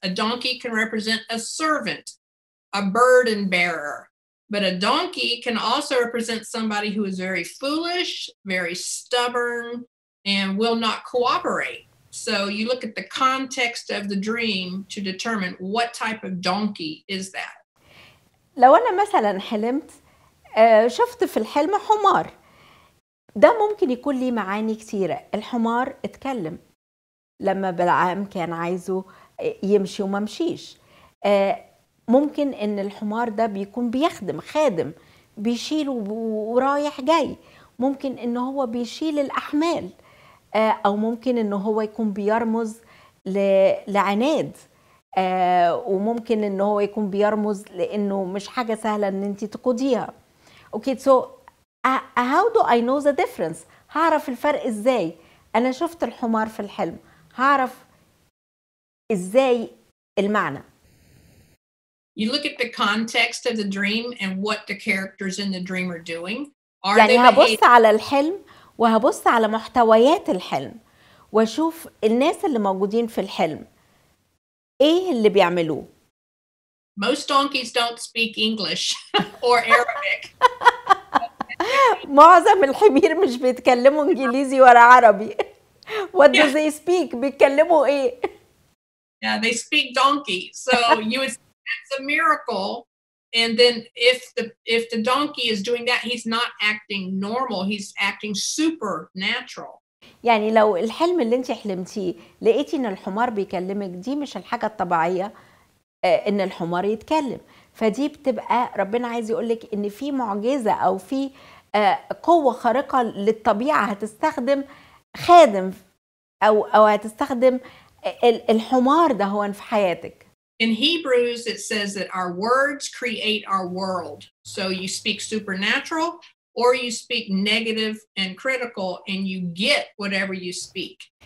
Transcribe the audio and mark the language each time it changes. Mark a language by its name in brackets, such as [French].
[English] A donkey can represent a servant, a burden bearer. But a donkey can also represent somebody who is very foolish, very stubborn, and will not cooperate. So you look at the context of the dream to determine what type of donkey is that. [Arabic] لو أنا مثلا حلمت شفت في الحلم حمار، ده ممكن يكون لي معاني كثيرة. الحمار اتكلم لما بلعام كان عايزه يمشي وممشيش. ممكن ان الحمار ده بيكون بيخدم، خادم بيشيل ورايح جاي. ممكن ان هو بيشيل الاحمال، او ممكن ان هو يكون بيرمز لعناد، وممكن ان هو يكون بيرمز لانه مش حاجة سهلة ان انت تقوديها. [English] Okay so How do I know the difference? [Arabic] هعرف الفرق ازاي؟ انا شفت الحمار في الحلم، هعرف ازاي المعنى؟ [English] You look at the context of the dream and what the characters in the dream are doing. [Arabic] يعني هبص على الحلم وهبص على محتويات الحلم واشوف الناس اللي موجودين في الحلم ايه اللي بيعملوه. [English] Most donkeys don't speak English or Arabic. [Arabic] معظم الحمير مش بيتكلموا انجليزي ولا عربي. [English] What do they speak؟ [Arabic] بيتكلموا ايه؟ [English] Yeah, they speak donkey. So you would say it's a miracle. And then if the donkey is doing that, he's not acting normal. He's acting supernatural. [Arabic] يعني لو الحلم اللي انت حلمتيه لقيتي ان الحمار بيكلمك، دي مش الحاجة الطبيعية ان الحمار يتكلم، فدي بتبقى ربنا عايز يقولك ان في معجزة او في قوة خارقة للطبيعة هتستخدم خادم او هتستخدم الحمار ده هو في حياتك. [English] In Hebrews it says that our words create our world. So you speak supernatural or you speak negative and critical and you get whatever you speak.